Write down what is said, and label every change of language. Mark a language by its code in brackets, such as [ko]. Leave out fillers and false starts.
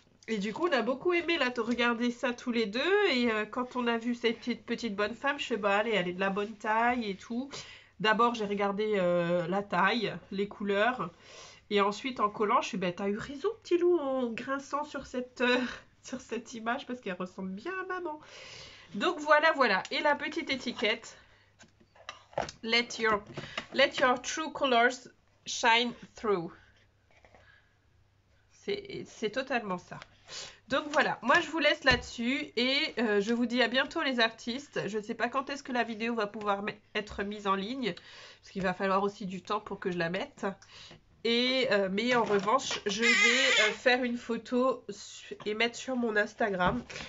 [fr] Et du coup, on a beaucoup aimé là, de regarder ça tous les deux. Et quand on a vu cette petite bonne femme, je fais bah, allez, elle est de la bonne taille et tout. D'abord, j'ai regardé la taille, les couleurs, et ensuite en collant, je fais bah, t'as eu raison, petit loup, en grinçant sur cette image parce qu'elle ressemble bien à maman. Donc voilà. Et la petite étiquette. [en] Let your true colors shine through. [fr] C'est totalement ça. Donc voilà, moi je vous laisse là-dessus et je vous dis à bientôt les artistes. Je ne sais pas quand est-ce que la vidéo va pouvoir être mise en ligne, parce qu'il va falloir aussi du temps pour que je la mette. Mais en revanche, je vais faire une photo et mettre sur mon Instagram.